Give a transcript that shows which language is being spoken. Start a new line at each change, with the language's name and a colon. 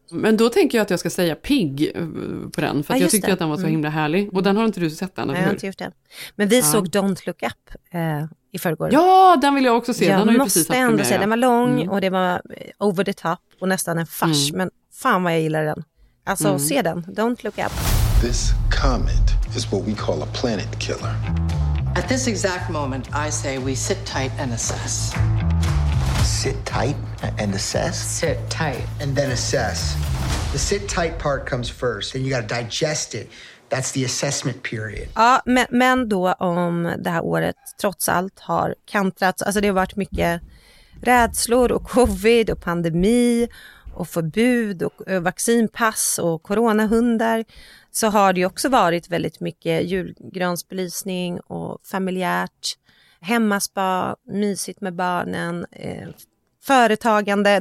Swedish: Men då tänker jag att jag ska säga Pig på den. För att jag tyckte att den var så himla härlig. Och den har inte du sett den, eller hur? Jag har inte gjort den. Men vi såg Don't Look Up i förrgår. Ja, den vill jag också se. Den har måste ju precis ändå säga, den var lång och det var
English: over the top.
Swedish: Och nästan en fars. Men fan vad jag gillar den. Alltså, se den. Don't Look Up.
English: This comet is what we call a planet killer. At this exact moment, I say we sit tight and assess. Sit tight and assess? Sit tight. And then assess. The sit tight part comes first, then you gotta digest it. That's the assessment period.
Swedish: Ja, men då om det här året trots allt har kantrats. Alltså det har varit mycket rädslor och covid och pandemi och förbud och vaccinpass och coronahundar. Så har det ju också varit väldigt mycket julgransbelysning och familjärt, hemmaspa, mysigt med barnen, företagande.